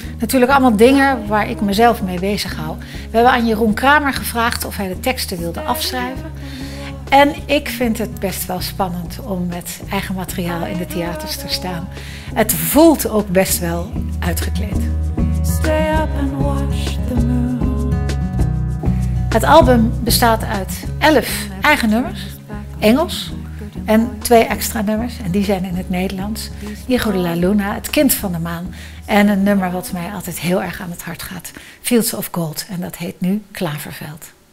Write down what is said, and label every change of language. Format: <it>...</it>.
<nl>Natuurlijk allemaal dingen waar ik mezelf mee bezig hou. We hebben aan Jeroen Kramer gevraagd of hij de teksten wilde afschrijven. En ik vind het best wel spannend om met eigen materiaal in de theaters te staan. Het voelt ook best wel uitgekleed.</nl> <en>Stay up and watch the moon.</en> <nl>Het album bestaat uit 11 eigen nummers, Engels, en 2 extra nummers. En die zijn in het Nederlands. Hijo de la Luna, Het Kind van de Maan. En een nummer wat mij altijd heel erg aan het hart gaat, Fields of Gold. En dat heet nu Klaverveld.</nl>